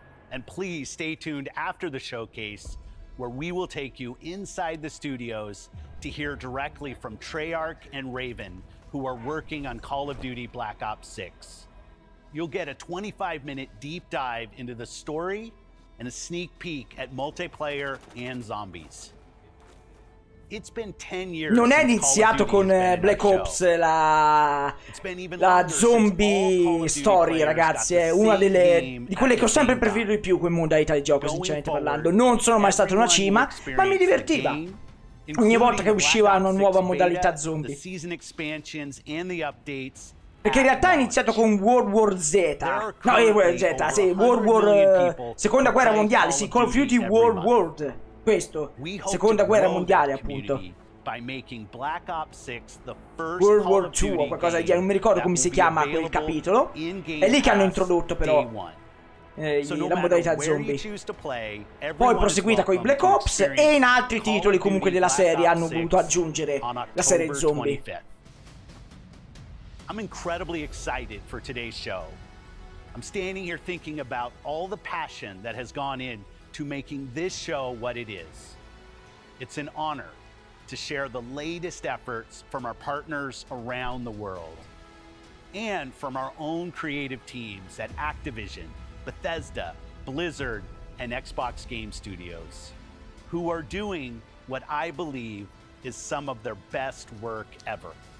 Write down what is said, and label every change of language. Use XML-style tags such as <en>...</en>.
<en>And please stay tuned after the showcase, where we will take you inside the studios to hear directly from Treyarch and Raven, who are working on Call of Duty Black Ops 6. You'll get a 25-minute deep dive into the story and a sneak peek at multiplayer and zombies. It's been 10 years.</en> <it>Non è iniziato con Black Ops la zombie story, ragazzi. È una delle di quelle che ho sempre preferito di più, quel modalità di gioco, sinceramente parlando. Non sono mai stato una cima, ma mi divertiva ogni volta che usciva una nuova modalità zombie. Perché in realtà è iniziato con World War Z. No, World Z, sì, World War Seconda Guerra Mondiale, sì, Call of Duty World War. Questo, Seconda Guerra Mondiale, appunto. World War II o qualcosa di genere, non mi ricordo come si chiama quel capitolo. È lì che hanno introdotto però la modalità zombie. Poi proseguita con i Black Ops e in altri titoli comunque della serie hanno voluto aggiungere la serie zombie.</it> <en>I'm incredibly excited for today's show. I'm standing here thinking about all the passion that has gone into making this show what it is. It's an honor to share the latest efforts from our partners around the world and from our own creative teams at Activision, Bethesda, Blizzard, and Xbox Game Studios, who are doing what I believe is some of their best work ever.</en>